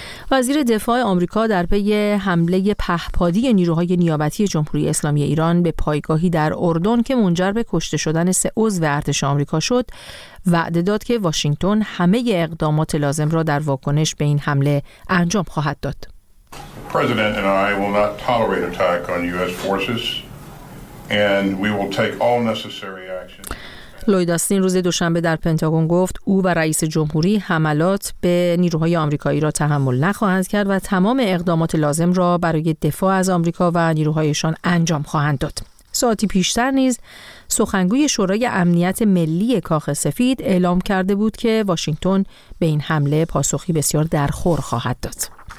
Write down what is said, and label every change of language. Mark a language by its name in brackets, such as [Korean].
[Persian] وزیر دفاع آمریکا در پی حمله پهپادی نیروهای نیابتی جمهوری اسلامی ایران به پایگاهی در اردن که منجر به کشته شدن 3 عضو ارتش آمریکا شد، وعده داد که واشنگتن همه اقدامات لازم را در واکنش به این حمله انجام خواهد داد. [English] President and I will not tolerate attack on US forces and we will take all necessary action. [Persian] لوید آستین روز دوشنبه در پنتاگون گفت او و رئیس جمهوری حملات به نیروهای آمریکایی را تحمل نخواهند کرد و تمام اقدامات لازم را برای دفاع از آمریکا و نیروهایشان انجام خواهند داد. ساعتی پیشتر نیز سخنگوی شورای امنیت ملی کاخ سفید اعلام کرده بود که واشنگتن به این حمله پاسخی بسیار درخور خواهد داد.